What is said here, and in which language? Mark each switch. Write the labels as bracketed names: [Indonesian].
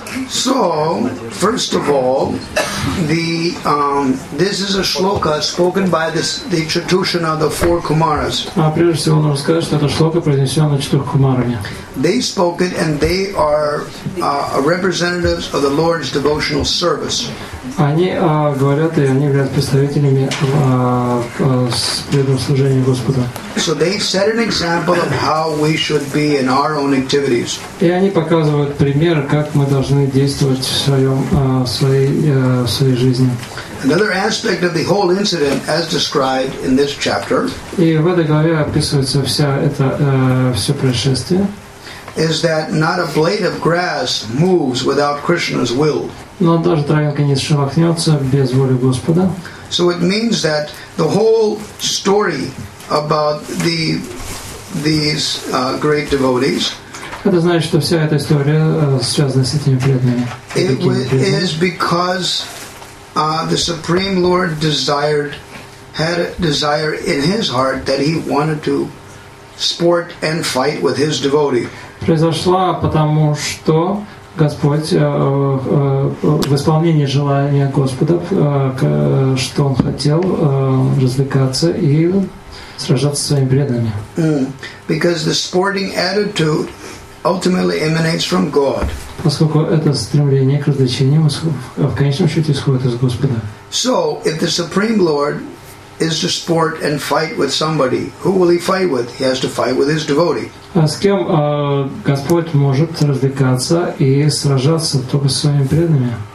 [English] So, first of all, this is a shloka spoken by the Chatushana, the four Kumaras. They spoke it, and they are representatives of the Lord's devotional service. [Russian] Они говорят, и они являются представителями преданного служения Господа. [English] So they set an example of how we should be in our own activities. [Russian] И они показывают пример, как мы должны действовать в своей жизни. [English] Another aspect of the whole incident, as described in this chapter. [Russian] И в этой главе описывается вся это все происшествие. [English] Is that not a blade of grass moves without Krishna's will? [Russian] Но даже травинка не шелохнется без воли Господа. [English] So it means that the whole story about these great devotees. [Russian] Это значит, что вся эта история связана с этими преданными. [English] Is because the Supreme Lord had a desire in his heart that he wanted to sport and fight with his devotee. [Russian] Произошла потому что Господь в исполнении желания Господа, что Он хотел развлекаться и сражаться со своими преданными. [English] Because the sporting attitude ultimately emanates from God. [Russian] Поскольку это стремление к развлечениям в конечном счете исходит из Господа. [English] So, if the Supreme Lord is to sport and fight with somebody, who will he fight with? He has to fight with his devotee. [Russian] А с кем Господь может развлекаться и сражаться только со своими преданными?